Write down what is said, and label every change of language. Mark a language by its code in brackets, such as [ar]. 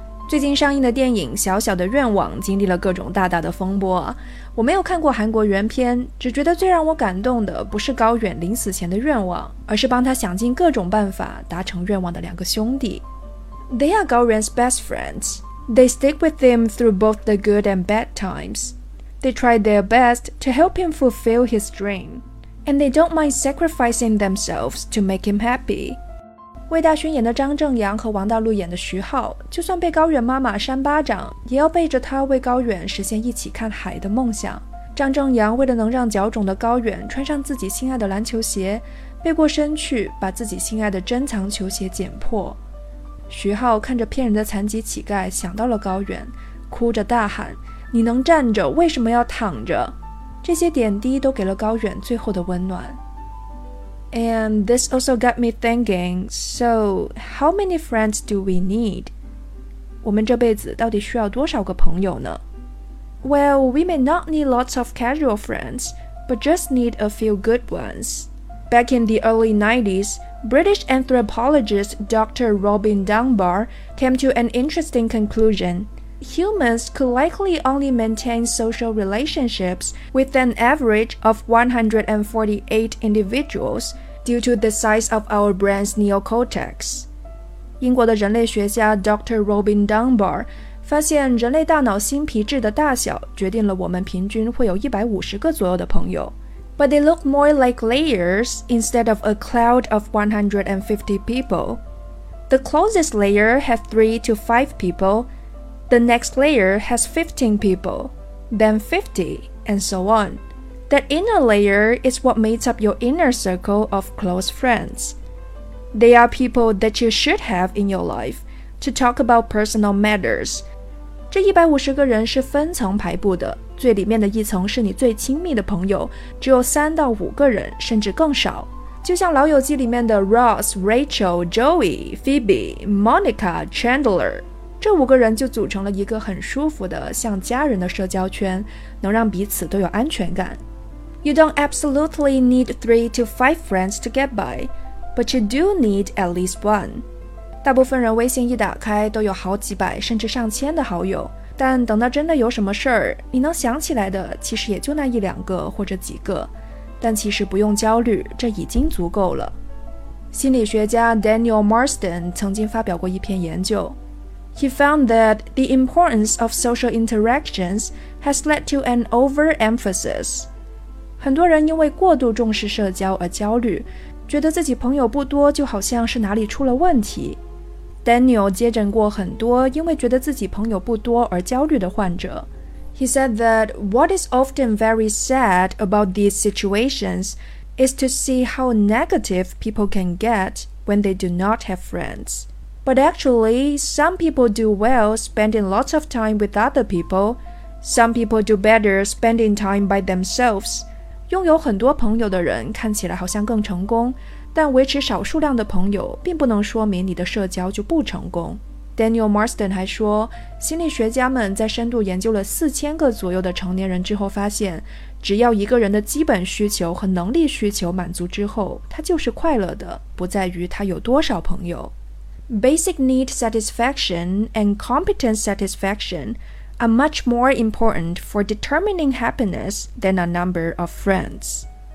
[zh] 最近上映的电影《小小的愿望》经历了各种大大的风波。我没有看过韩国原片，只觉得最让我感动的不是高远临死前的愿望，而是帮他想尽各种办法达成愿望的两个兄弟。 [en] They are Gao Yuan's best friends. They stick with him through both the good and bad times. They try their best to help him fulfill his dream. And they don't mind sacrificing themselves to make him happy. [zh] 魏大勋演的张正阳和王大陆演的徐浩，就算被高远妈妈扇巴掌，也要背着他为高远实现一起看海的梦想。张正阳为了能让脚肿的高远穿上自己心爱的篮球鞋，背过身去把自己心爱的珍藏球鞋剪破。徐浩看着骗人的残疾乞丐，想到了高远，哭着大喊，你能站着为什么要躺着？这些点滴都给了高远最后的温暖。 [en] And this also got me thinking, so how many friends do we need? [zh] 我们这辈子到底需要多少个朋友呢？ [en] Well, we may not need lots of casual friends, but just need a few good ones. Back in the early 90s,British anthropologist Dr. Robin Dunbar came to an interesting conclusion. Humans could likely only maintain social relationships with an average of 148 individuals due to the size of our brain's neocortex. [zh] 英国的人类学家 Dr. Robin Dunbar 发现人类大脑新皮质的大小决定了我们平均会有150个左右的朋友。 [en] But they look more like layers instead of a cloud of 150 people. The closest layer has 3 to 5 people. The next layer has 15 people, then 50, and so on. That inner layer is what makes up your inner circle of close friends. They are people that you should have in your life to talk about personal matters. [zh] 这150个人是分层排布的。最里面的一层是你最亲密的朋友，只有3到5个人，甚至更少。就像《老友记》里面的 Ross、Rachel、Joey、Phoebe、Monica、Chandler， 这五个人就组成了一个很舒服的像家人的社交圈，能让彼此都有安全感。 [en] You don't absolutely need 3 to 5 friends to get by, but you do need at least one. [zh] 大部分人微信一打开都有好几百甚至上千的好友。但等到真的有什么事儿，你能想起来的其实也就那一两个或者几个，但其实不用焦虑，这已经足够了。心理学家 Daniel Marsden 曾经发表过一篇研究。 [en] He found that the importance of social interactions has led to an overemphasis. [zh] 很多人因为过度重视社交而焦虑，觉得自己朋友不多就好像是哪里出了问题。 Daniel 接诊过很多因为觉得自己朋友不多而焦虑的患者。 [en] He said that what is often very sad about these situations is to see how negative people can get when they do not have friends. But actually, some people do well spending lots of time with other people. Some people do better spending time by themselves. [zh] 拥有很多朋友的人看起来好像更成功，但维持少数量的朋友并不能说明你的社交就不成功。 Daniel Marsden 还说，心理学家们在深度研究了4000个左右的成年人之后发现，只要一个人的基本需求和能力需求满足之后，他就是快乐的，不在于他有多少朋友。 [en] Basic need satisfaction and competence satisfaction are much more important for determining happiness than a number of friends.